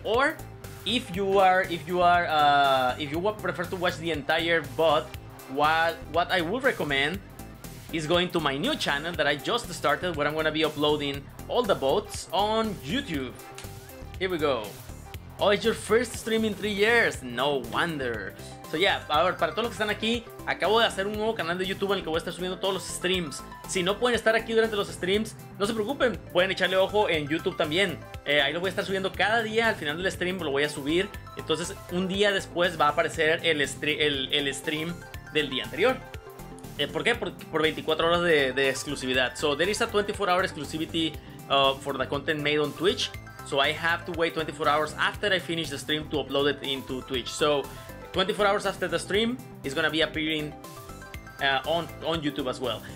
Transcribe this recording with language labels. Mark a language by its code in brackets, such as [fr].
[en] Or if you prefer to watch the entire bot, what I would recommend is going to my new channel that I just started, where I'm gonna be uploading all the bots on YouTube. Here we go. Oh, it's your first stream in 3 years. No wonder. So yeah, [es] a ver, para todos los que están aquí, acabo de hacer un nuevo canal de YouTube en el que voy a estar subiendo todos los streams. Si no pueden estar aquí durante los streams, no se preocupen, pueden echarle ojo en YouTube también. Ahí lo voy a estar subiendo cada día, al final del stream lo voy a subir. Entonces, un día después va a aparecer el stream del día anterior. ¿Por qué? Por 24 horas de exclusividad. [en] So there is a 24 hour exclusivity for the content made on Twitch. So I have to wait 24 hours after I finish the stream to upload it into Twitch. So 24 hours after the stream, it's gonna be appearing on YouTube as well.